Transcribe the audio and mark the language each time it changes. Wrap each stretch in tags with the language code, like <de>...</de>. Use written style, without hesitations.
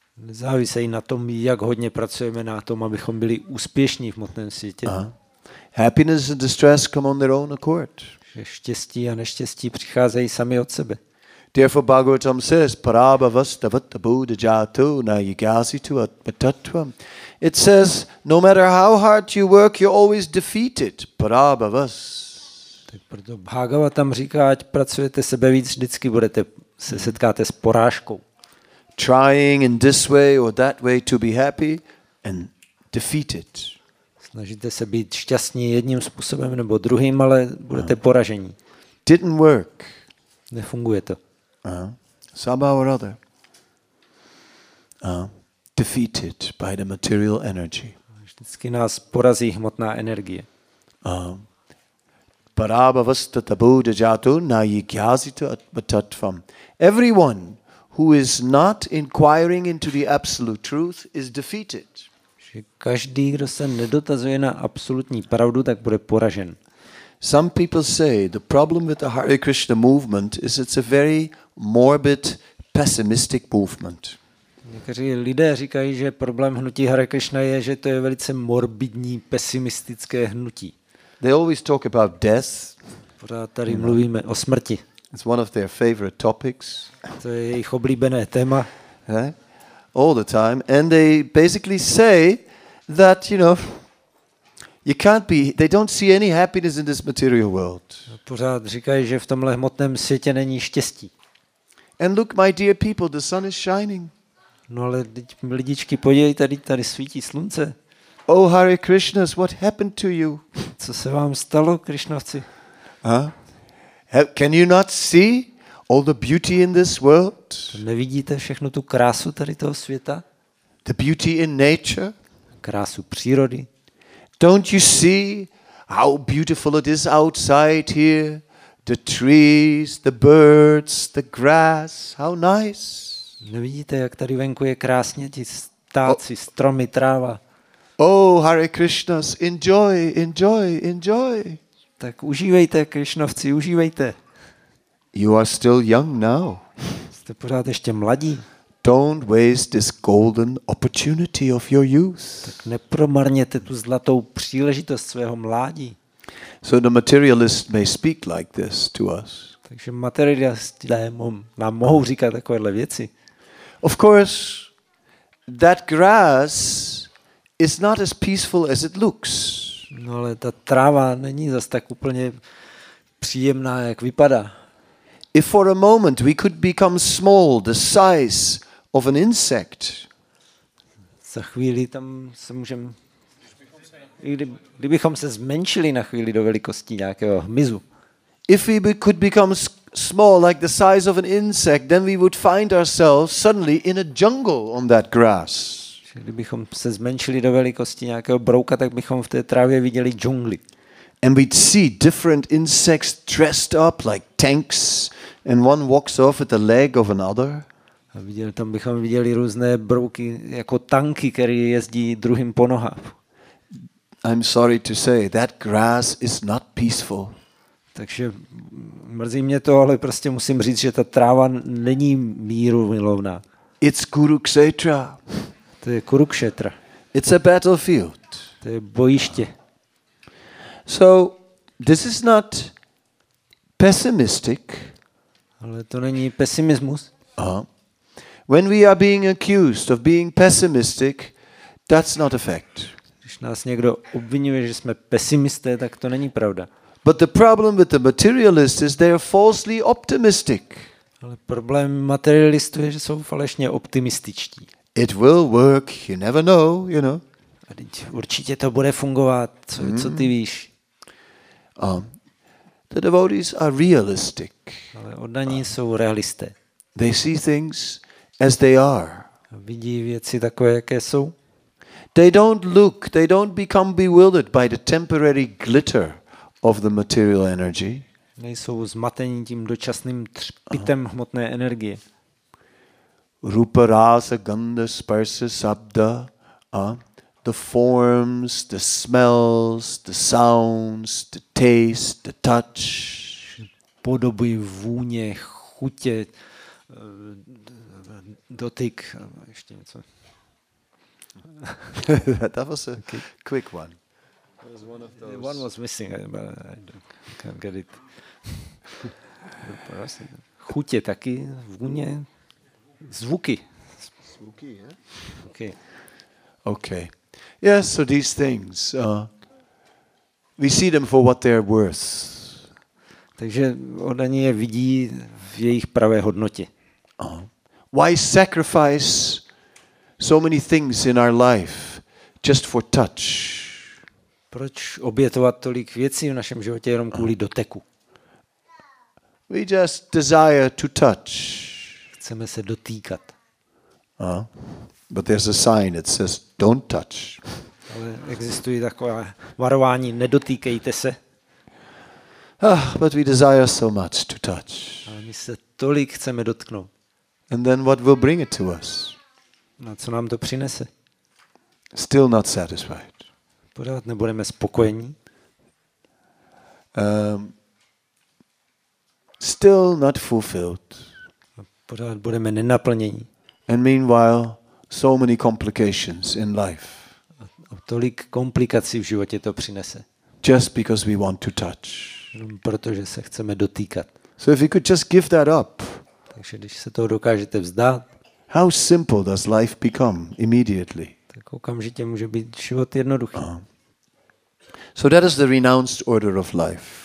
<cs>Závisí na tom, jak hodně pracujeme na tom, abychom byli úspěšní v hmotném světě.</cs> <en>Happiness and distress come on their own accord.</en> <cs>Štěstí a neštěstí přicházejí sami od sebe.</cs> <en>Therefore Bhagavatam says,</en> <sa>"Parabhavasta vatabuddha jato na yagasitu atmatattvam."</sa> <en>It says, no matter how hard you work, you're always defeated.</en> <sa>Parabhavas.</sa> <cs>Proto Bhagava tam říká, ať pracujete sebe víc, vždycky budete se setkáte s porážkou.</cs> <en>Trying in this way or that way to be happy and defeated.</en> <cs>Snažíte se být šťastní jedním způsobem nebo druhým, ale budete poraženi.</cs> <en>Didn't work.</en> <cs>Nefunguje to.</cs> <en>Somehow or other. defeated by the material energy.</en> <cs>Vždycky nás porazí hmotná energie.</cs> <sa>Parabhavastata buddha jato na yikyasita atvatvam.</sa> <en>Everyone who is not inquiring into the absolute truth is defeated.</en> <cs>Každý, kdo se nedotazuje na absolutní pravdu, tak bude poražen.</cs> <en>Some people say the problem with the Hare Krishna movement is it's a very morbid, pessimistic movement.</en> <cs>Někteří lidé říkají, že problém hnutí Hare Krishna je, že to je velice morbidní, pesimistické hnutí.</cs> <en>They always talk about death.</en> <cs>Pořád tady mluvíme o smrti.</cs> <en>It's one of their favorite topics.</en> <cs>To je jejich oblíbené téma.</cs> <en>All the time, and they basically say that, you know, you can't be, they don't see any happiness in this material world.</en> <cs>Pořád říkají, že v tomhle hmotném světě není štěstí.</cs> <en>And look, my dear people, the sun is shining.</en> <cs>No ale lidičky, podívejte, tady svítí slunce.</cs> <en>Oh, Hare Krishnas, what happened to you?</en> <cs>Co se vám stalo, Krišnovci?</cs> <en>Can you not see all the beauty in this world?</en> <cs>Nevidíte všechnu tu krásu tady toho světa?</cs> <en>The beauty in nature?</en> <cs>Krásu přírody.</cs> <en>Don't you see how beautiful it is outside here? The trees, the birds, the grass, how nice.</en> <cs>Nevidíte, jak tady venku je krásně, ti ptáci, stromy, tráva.</cs> <en>Oh, Hare Krishnas, enjoy, enjoy, enjoy.</en> <cs>Tak užívejte, Krišnovci, užívejte.</cs> <en>You are still young now.</en> <cs>Jste pořád ještě mladí.</cs> <en>Don't waste this golden opportunity of your youth.</en> <cs>Tak nepromarněte tu zlatou příležitost svého mládí.</cs> <en>So the materialist may speak like this to us.</en> <cs>Takže materialisti nám mohou říkat takovéhle věci.</cs> <en>Of course, that grass is not as peaceful as it looks.</en> <cs>No ale ta tráva není zas tak úplně příjemná, jak vypadá.</cs> <en>If for a moment we could become small, the size of an insect.</en> <cs>Za chvíli tam se můžeme, kdybychom se zmenšili na chvíli do velikosti nějakého hmyzu.</cs> <en>If we could become small, like the size of an insect, then we would find ourselves suddenly in a jungle on that grass.</en> <cs>Kdybychom se zmenšili do velikosti nějakého brouka, tak bychom v té trávě viděli džungli.</cs> <en>And we'd see different insects dressed up like tanks, and one walks off at the leg of another.</en> <cs>A viděli, tam bychom viděli různé brouky jako tanky, které jezdí druhým po nohách.</cs> <en>I'm sorry to say, that grass is not peaceful.</en> <cs>Takže mrzí mě to, ale prostě musím říct, že ta tráva není míru milovná.</cs> <en>It's Kurukshetra.</en> <cs>To je Kurukshetra.</cs> <en>It's a battlefield.</en> <cs>To je bojiště.</cs> <en>So this is not pessimistic.</en> <cs>Ale to není pesimismus.</cs> <en>When we are being accused of being pessimistic, that's not a fact.</en> <cs>Když nás někdo obvinuje, že jsme pesimisté, tak to není pravda.</cs> <en>But the problem with the materialist is they are falsely optimistic.</en> <cs>Ale problém materialistů je, že jsou falešně optimističtí.</cs> <en>It will work, you never know, you know.</en> <cs>A teď určitě to bude fungovat, co ty víš.</cs> <en>The devotees are realistic.</en> <cs>Ale oddaní jsou realisté.</cs> <en>They see things as they are.</en> <cs>Vidí věci takové, jaké jsou.</cs> <en>They don't look, they don't become bewildered by the temporary glitter of the material energy.</en> <cs>Nejsou zmatení tím dočasným třpitem hmotné energie.</cs> <sa>Rupa, rasa, gandha, sparsha, sabda,</sa> <en>the forms, the smells, the sounds, the taste, the touch.</en> <cs>Podoby, vůně, chutě, dotyk, ještě něco.</cs> <en>That was a quick one. One was missing, but I can't get it.</en> <cs>Chutě taky, vůně, zvuky. Zvuky,</cs> <en>yeah? Okay. Okay. Yes, yeah, so these things, we see them for what they are worth.</en> <cs>Takže oni je vidí v jejich pravé hodnotě.</cs> <en>Why sacrifice so many things in our life just for touch?</en> <cs>Proč obětovat tolik věcí v našem životě jenom kvůli doteku?</cs> <en>We just desire to touch.</en> <cs>Chceme se dotýkat.</cs> <en>But there's a sign that says don't touch.</en> <cs>Ale existuje takové varování, nedotýkejte se.</cs> <en>Ah, but we desire so much to touch.</en> <cs>Ale my se tolik chceme dotknout.</cs> <en>And then what will bring it to us?</en> <cs>No, co nám to přinese?</cs> <en>Still not satisfied.</en> <cs>Pořád nebudeme spokojení.</cs> <en>Still not fulfilled.</en> <cs>Pořád budeme nenaplnění.</cs> <en>And meanwhile, so many complications in life.</en> <cs>A tolik komplikací v životě to přinese.</cs> <en>Just because we want to touch.</en> <cs>Protože se chceme dotýkat.</cs> <en>So if you could just give that up.</en> <cs>Takže když se toho dokážete vzdát.</cs> <en>How simple does life become immediately?</en> <cs>Tak okamžitě může být život jednoduchý.</cs> <en>So that is the renounced order of life.</en>